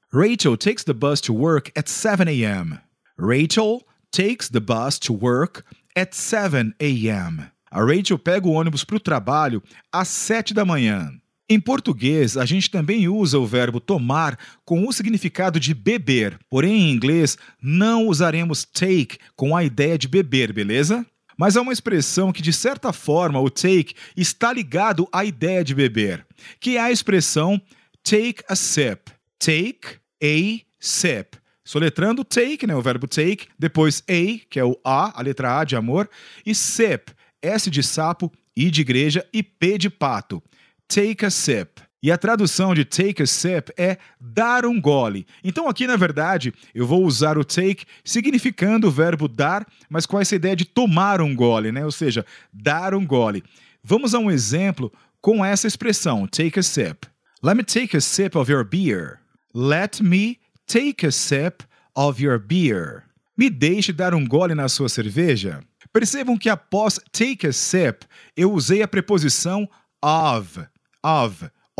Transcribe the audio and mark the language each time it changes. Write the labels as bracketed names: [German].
[English] Rachel takes the bus to work at 7 a.m. Rachel takes the bus to work at 7 a.m. [Portuguese] A Rachel pega o ônibus para o trabalho às 7 da manhã. Em português, a gente também usa o verbo tomar com o significado de beber. Porém, em inglês, não usaremos take com a ideia de beber, beleza? Mas há uma expressão que, de certa forma, o take está ligado à ideia de beber, que é a expressão take a sip. [English] Take a sip. [Portuguese] Soletrando take, né, o verbo take, depois a, que é o a letra A de amor, e sip, S de sapo, I de igreja e P de pato. Take a sip. E a tradução de take a sip é dar um gole. Então aqui, na verdade, eu vou usar o take significando o verbo dar, mas com essa ideia de tomar um gole, né? Ou seja, dar um gole. Vamos a um exemplo com essa expressão, take a sip. [English] Let me take a sip of your beer. Let me take a sip of your beer. [Portuguese] Me deixe dar um gole na sua cerveja. Percebam que após take a sip, eu usei a preposição of. Of.